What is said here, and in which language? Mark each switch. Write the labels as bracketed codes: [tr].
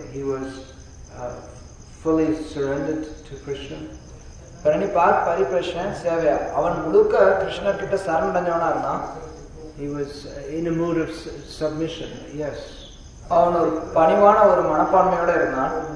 [en] He was fully surrendered to Krishna. [sa] Pranipat, Pariprashna, Seva. [ta] அவன் முழுக்க கிருஷ்ண கிட்ட சரணடைஞ்சவனா இருந்தான். [en] He was in a mood of submission. Yes. [ta] அவன் ஒரு பணிவான ஒரு மனப்பான்மையோட இருந்தான்.